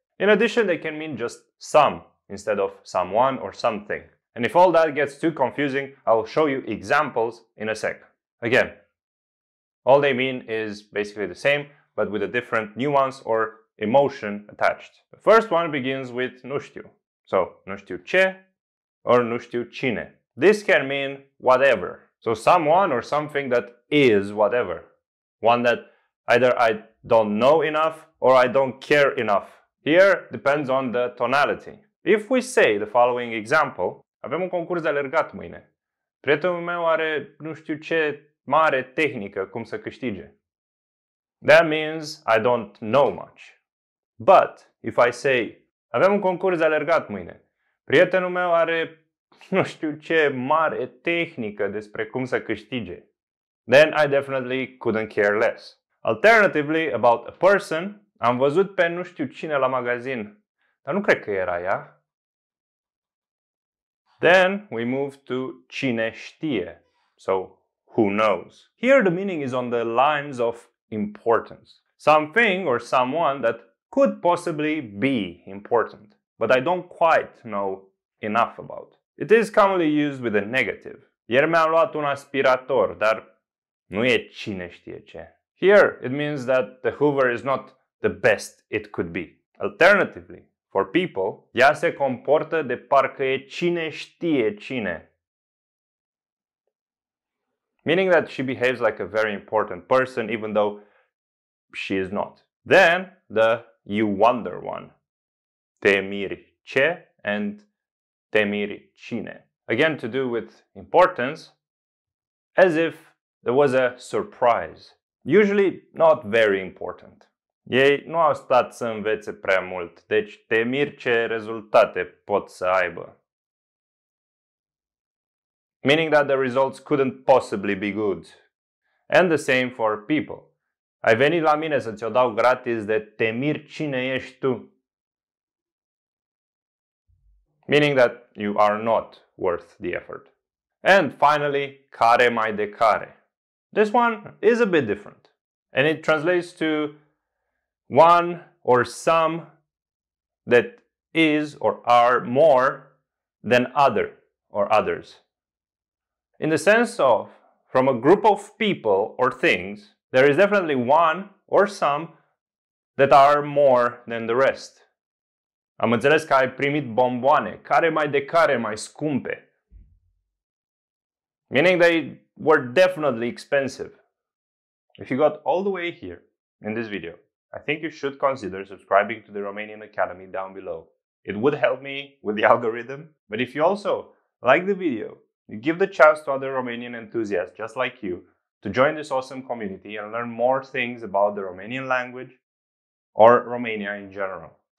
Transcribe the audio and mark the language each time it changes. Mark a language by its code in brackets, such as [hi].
[en] In addition, they can mean just some instead of someone or something. And if all that gets too confusing, I'll show you examples in a sec. Again, all they mean is basically the same, but with a different nuance or emotion attached. The first one begins with [ro] nu știu. [en] So, [ro] nu știu ce [en] or [ro] nu știu cine. [en] This can mean whatever. So, someone or something that is whatever. One that either I don't know enough or I don't care enough. Here depends on the tonality. If we say the following example, [ro] avem un concurs de alergat mâine. Prietenul meu are nu știu ce mare tehnică cum să câștige. [en] That means I don't know much. But if I say [ro] avem un concurs de alergat mâine. Prietenul meu are nu știu ce mare tehnică despre cum să câștige. [en] Then I definitely couldn't care less. Alternatively, about a person, [ro] am văzut pe nu știu cine la magazin, dar nu cred că era ea. [en] Then we move to [ro] cine știe. [en] So, who knows? Here the meaning is on the lines of importance. Something or someone that could possibly be important, but I don't quite know enough about. It is commonly used with a negative. [ro] Ieri mi-am luat un aspirator, dar nu e cine știe ce. [en] Here, it means that the Hoover is not the best it could be. Alternatively, for people, [ro] ea se comportă de parcă e cine știe cine. [en] Meaning that she behaves like a very important person, even though she is not. Then, the you wonder one. [ro] Te miri ce [en] and [ro] te miri cine. [en] Again, to do with importance, as if there was a surprise. Usually not very important. [ro] Ei nu au stat să învețe prea mult, deci te miri ce rezultate pot să aibă. [en] Meaning that the results couldn't possibly be good. And the same for people. [ro] Ai venit la mine să ți-o dau gratis de te miri cine ești tu. [en] Meaning that you are not worth the effort. And finally, [ro] care mai de care. [en] This one is a bit different. And it translates to one or some that is or are more than other or others. In the sense of from a group of people or things, there is definitely one or some that are more than the rest. [ro] Am înțeles că ai primit bomboane, care mai de care mai scumpe. [en] Meaning they were definitely expensive. If you got all the way here in this video, I think you should consider subscribing to the Romanian Academy down below. It would help me with the algorithm. But if you also like the video, you give the chance to other Romanian enthusiasts just like you to join this awesome community and learn more things about the Romanian language or Romania in general.